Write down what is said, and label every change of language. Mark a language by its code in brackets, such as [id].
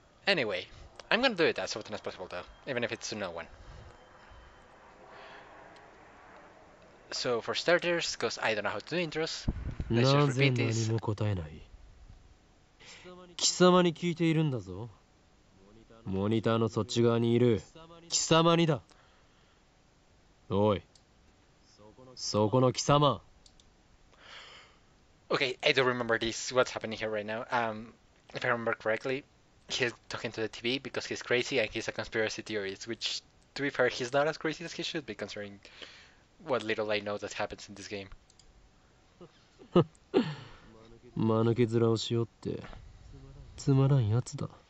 [en] Anyway, I'm gonna do it as often as possible though, even if it's a no one. So for starters, because I don't know how to do intros, let's just repeat this. [ja] モニターのそっち側にいる 貴様にだ! おい、そこの貴様! [en] Okay, I don't remember this, what's happening here right now. If I remember correctly, he's talking to the TV because he's crazy and he's a conspiracy theorist, which, to be fair, he's not as crazy as he should be, considering what little I know that happens in this game. [ja] マヌケヅラをしようって、つまらんやつだ。